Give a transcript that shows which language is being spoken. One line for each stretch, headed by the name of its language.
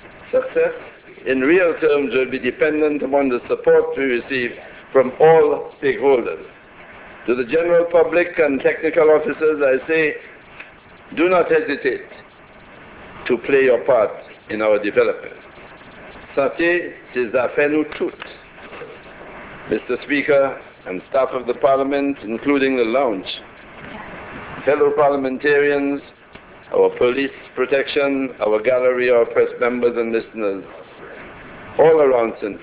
English: Success in real terms will be dependent upon the support we receive from all stakeholders. To the general public and technical officers, I say, do not hesitate to play your part in our development.
Saint Lucian Creole French: Sate, c'est affaire nous toutes.
English: Mr. Speaker and staff of the Parliament, including the lounge, fellow parliamentarians, our police protection, our gallery, our press members and listeners, all around St.